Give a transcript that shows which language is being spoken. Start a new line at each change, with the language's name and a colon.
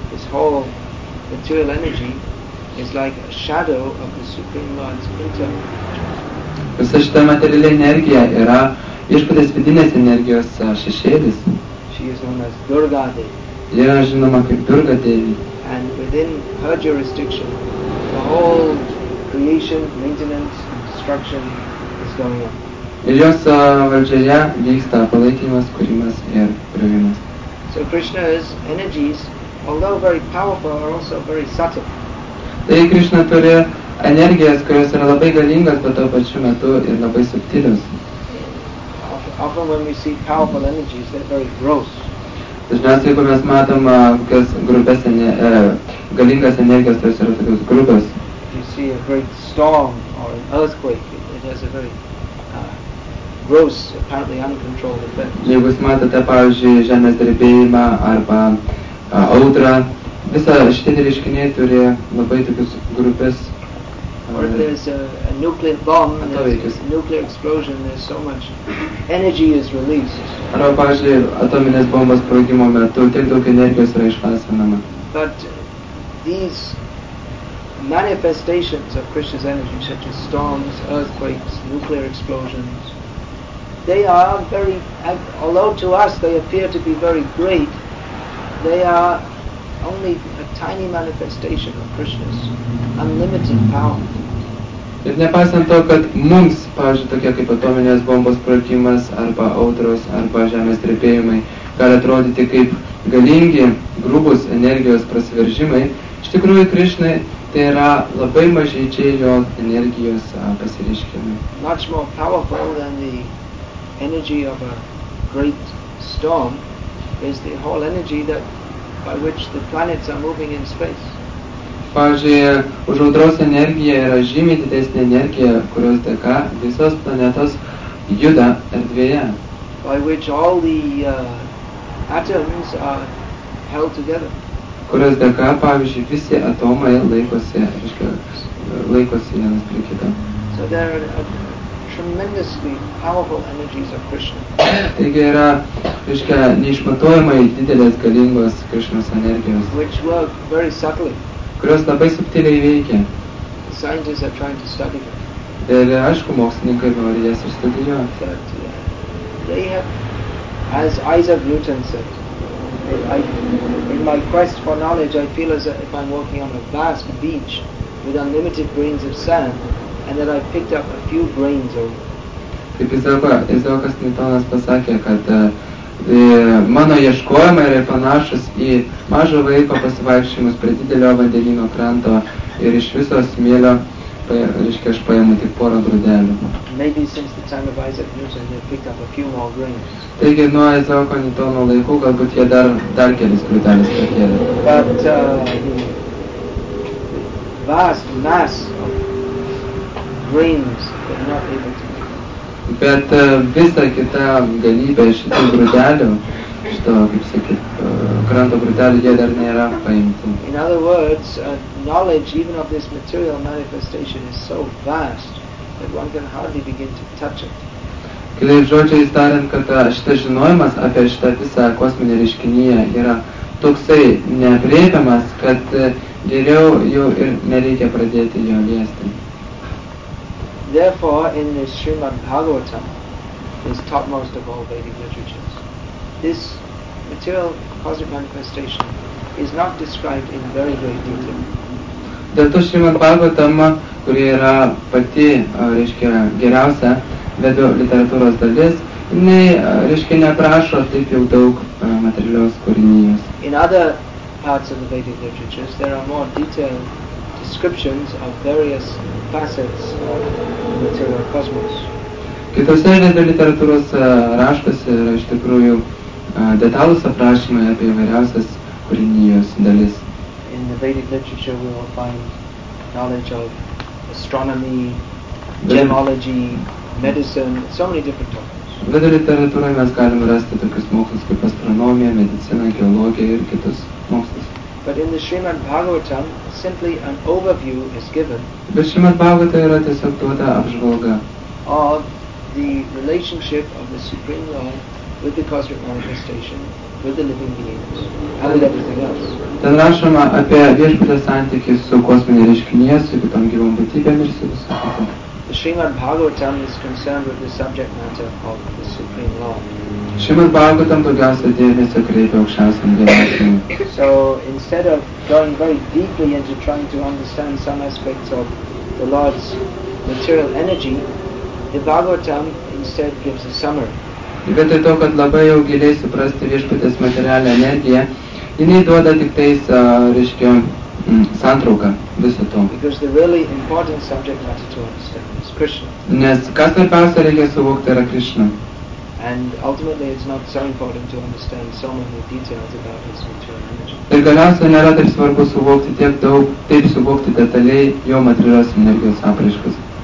English: This whole material energy is like a shadow of the Supreme Lord's Kirtan.
Lithuanian: Visa šita materialė energija yra Viešpaties vidinės energijos šešėlis.
English: She is known as Durga Devi.
Lithuanian: Ji yra žinoma kaip Durga Devi.
English: And within her jurisdiction, the whole creation, maintenance, and destruction is going on.
Lithuanian: Ir jos valdžioje vyksta palaikymas, kūrimas ir griovimas.
English: So Krishna's energies, although very powerful, are also very subtle.
Lithuanian: Tai Krishna turi energijas, kurios yra labai galingas, bet tuo pačiu metu ir labai subtilios.
English: Often when we see powerful energies, they're very gross.
Lithuanian: Dažniausiai, jeigu mes matom kokias grubes, galingas energijas, tai yra tokios grubes.
English: If you see a great storm or an earthquake, it has a very gross, apparently uncontrolled effect.
Lithuanian: Jeigu jūs matote, pavyzdžiui, žemės drebėjimą arba audrą, visa šitie reiškiniai turi labai tokius grubes.
English: Or if there's a nuclear bomb and there's a nuclear explosion, there's so much energy is released.
Lithuanian: Arba, pavyzdžiui, atominės bombos sprogimo metu tiek daug energijos yra išlaisvinama.
English: But these manifestations of Krishna's energy, such as storms, earthquakes, nuclear explosions, they are very, although to us they appear to be very great, they are only a tiny manifestation of Krishna's unlimited power.
Lithuanian: Ir nepaisant to, kad mums, pavyzdžiui, tokie kaip atominės bombos sprogimas arba audros arba žemės drebėjimai gali atrodyti kaip galingi, grubus energijos prasiveržimai, iš tikrųjų Krishna tai yra labai mažyčiai jo energijos pasireiškimai.
English: Much more powerful than the energy of a great storm is the whole energy that by which the planets are moving in space.
Lithuanian: Pavyzdžiui, už audros energija yra žymiai didesnė energija, kurios dėka visos planetos juda erdvėje.
English: By which all the atoms are held together.
Lithuanian: Kurios dėka, pavyzdžiui, visi atomai laikosi, reiškia, laikosi vienas prie kito.
English: So there are tremendously powerful energies of Krishna.
Lithuanian: Taigi yra, reiškia, neišmatuojamai didelės galingos Krishnos energijos.
English: Which work very subtly.
Lithuanian: Kurios labai subtiliai veikia.
English: The scientists are trying to study them.
Lithuanian: Ir aišku, mokslininkai nori jas išstudijuoti.
English: But they have, as Isaac Newton said, in my quest for knowledge, I feel as if I'm walking on a vast beach with unlimited grains of sand, and that I've picked up a few grains over.
Lithuanian: Kaip Izaokas Newtonas pasakė, kad mano ieškojimai yra panašus į mažo vaiko pasivaikščiojimus prie didelio vandenyno kranto ir iš viso smėlio, reiškia, aš paėmu tik porą grūdelių.
English: Maybe since the time of Isaac Newton they picked up a few more grains.
Lithuanian: Taigi nuo Izaoko Newtono laikų galbūt jie dar kelis grūdelius pakėlė.
English: But vast mass of grains were not able to.
Lithuanian: Bet visa kita galybė šitų grūdelių, šito, kaip sakyt, kranto grūdelių, jie dar nėra paimti.
English: In other words, knowledge even of this material manifestation is so vast that one can hardly begin to touch it.
Lithuanian: Kitais žodžiais tariant, kad šitas žinojimas apie šitą visą kosminį reiškinyje yra toksai neaprėpiamas, kad geriau jau ir nereikia pradėti jo liesti.
English: Therefore, in this Srimad Bhagavatam, this topmost of all Vedic literatures, this material cosmic manifestation is not described in very great detail.
Lithuanian: Dėl to Srimad Bhagavatam, kuri yra pati, reiškia, geriausia vedų literatūros dalis, jinai, reiškia, neprašo taip jau daug materialios kūrinijos.
English: In other parts of the Vedic literatures, there are more detailed descriptions of various facets of the material cosmos.
Lithuanian: Kitose vedų literatūros raštuose yra iš tikrųjų detalūs aprašymai apie įvairiausias kūrinijos dalis.
English: In the Vedic literature we will find knowledge of astronomy, gemology, medicine, so many different topics.
Lithuanian: Vedų literatūroje mes galime rasti tokius mokslus kaip astronomija, medicina, geologija ir kitus mokslus.
English: But in the Srimad Bhagavatam, simply an overview is given.
Lithuanian: Bet Srimad Bhagavatam yra tiesiog duota apžvalga.
English: Of the relationship of the Supreme Lord with the cosmic manifestation, with the living beings, and with everything else.
Lithuanian: Ten rašoma apie viešpatės santykį su kosmine reiškinyje, su kitom gyvom būtybėm ir su visu kitu.
English: The Srimad Bhagavatam is concerned with the subject matter of the Supreme Law.
Lithuanian: Srimad Bhagavatam daugiausia dėmesio kreipia aukščiausiam dėmesiui.
English: So instead of going very deeply into trying to understand some aspects of the Lord's material energy, the Bhagavatam instead gives a summary.
Lithuanian: Vietoj to, kad labai jau giliai suprasti viešpatės materialią energiją, jinai duoda tik tais, reiškia, santrauką viso to.
English: Because the really important subject matter to understand is Krishna.
Lithuanian: Nes kas svarbiausia reikia suvokti yra Krishna.
English: And ultimately it's not so important to understand so many details about his material energy.
Lithuanian: Ir galiausia nėra taip svarbu suvokti tiek daug, taip suvokti detaliai jo materialios energijos apraiškas.